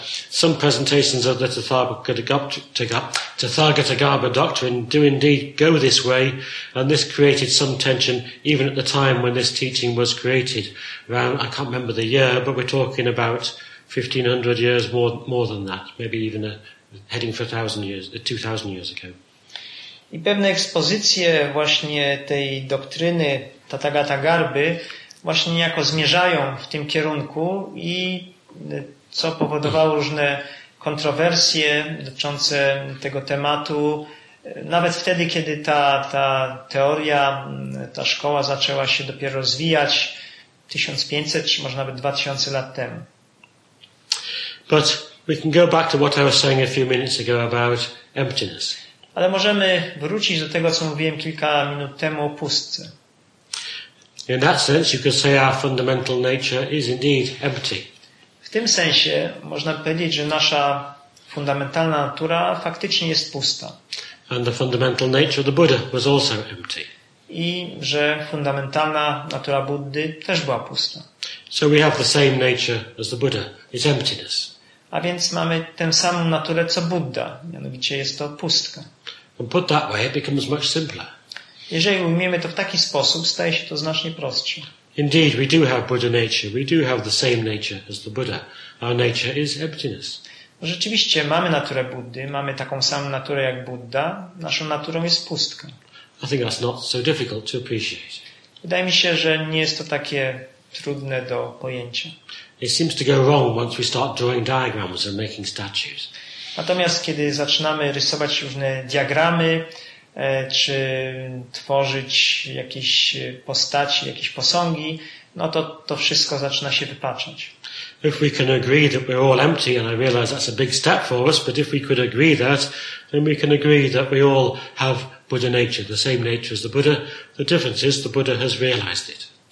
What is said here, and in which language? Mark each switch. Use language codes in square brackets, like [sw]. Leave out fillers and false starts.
[en] Some presentations of the Tathagatagarbha doctrine do indeed go this way, and this created some tension even at the time when this teaching was created. Around, I can't remember the year, but we're talking about 1500 years more than that, maybe even heading for 1000 years, 2000 years ago. [pl] I pewne ekspozycje właśnie tej doktryny Tathagatagarbhy właśnie niejako zmierzają w tym kierunku i co powodowało różne kontrowersje dotyczące tego tematu nawet wtedy, kiedy ta teoria, ta szkoła zaczęła się dopiero rozwijać 1500 czy może nawet 2000 lat temu. [en] But we can go back to what I was saying a few minutes ago about emptiness. [pl] Ale możemy wrócić do tego, co mówiłem kilka minut temu o pustce. [en] In that sense, you could say our fundamental nature is indeed empty. [pl] W tym sensie można powiedzieć, że nasza fundamentalna natura faktycznie jest pusta. [en] And the fundamental nature of the Buddha was also empty. [pl] I że fundamentalna natura Buddy też była pusta. [en] So we have the same nature as the Buddha, it's emptiness. [pl] A więc mamy tę samą naturę co Budda, mianowicie jest to pustka. [en] And put that way, it becomes much simpler. [pl] Jeżeli umiemy to w taki sposób, staje się to znacznie prostsze. [en] Indeed, we do have Buddha nature. We do have the same nature as the Buddha. Our nature is emptiness. [pl] Rzeczywiście mamy naturę Buddy, mamy taką samą naturę jak Budda. Naszą naturą jest pustka. [en] I think that's not so difficult to appreciate. [pl] Wydaje mi się, że nie jest to takie trudne do pojęcia. [en] It seems to go wrong once we start drawing diagrams and making statues. [pl] Natomiast kiedy zaczynamy rysować różne diagramy, czy tworzyć jakieś postaci, jakieś posągi, no to wszystko zaczyna się wypaczać. [en] If we can agree that we're all empty, and I realize that's a big step for us, but if we could agree that, then we can agree that we all have Buddha nature, the same nature as the Buddha. The difference is the Buddha has realized it.